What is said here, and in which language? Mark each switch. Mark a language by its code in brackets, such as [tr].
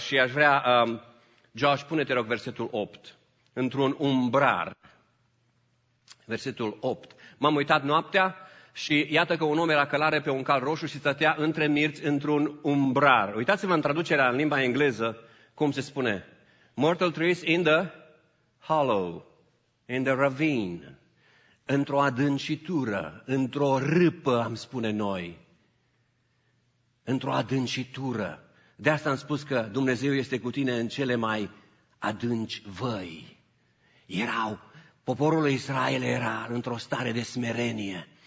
[ro] Și aș vrea, Josh, pune-te rog versetul 8, într-un umbrar. Versetul 8. M-am uitat noaptea și iată că un om era călare pe un cal roșu și stătea între mirți într-un umbrar. Uitați-vă în traducerea în limba engleză, cum se spune. [en] Myrtle trees in the hollow, in the ravine. [ro] Într-o adâncitură, într-o râpă, am spune noi. Într-o adâncitură. De asta am spus că Dumnezeu este cu tine în cele mai adânci văi. Erau. Poporul lui Israel era într-o stare de smerenie.